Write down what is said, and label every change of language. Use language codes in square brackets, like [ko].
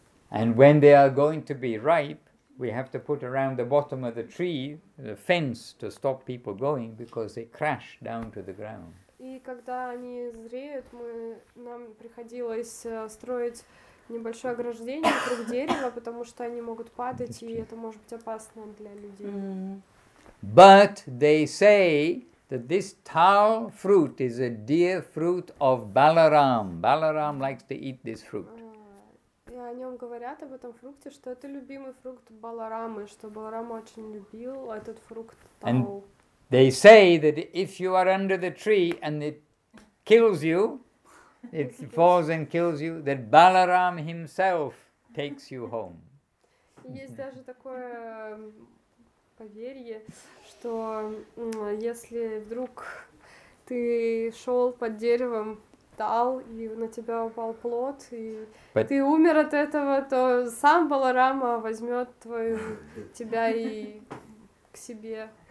[en] And when they are going to be ripe, we have to put around the bottom of the tree the fence to stop people going, because they crash down to the ground. [ru] И когда они зреют, нам приходилось строить небольшое ограждение вокруг дерева, потому что они могут падать, и это может быть опасно для людей. Mm-hmm. [en] But they say that this tal fruit is a dear fruit of Balaram. Balaram likes to eat this fruit. [ru] И о нем говорят, об этом фрукте, что это любимый фрукт Баларамы, что Баларам очень любил этот фрукт тал. [en] They say that if you are under the tree and it kills you, it falls and kills you, that Balaram himself takes you home. [ru] Есть даже такое поверье, что если вдруг ты шел под деревом тал, и на тебя упал плод, и ты умер от этого, то сам Баларама возьмет тебя и к себе.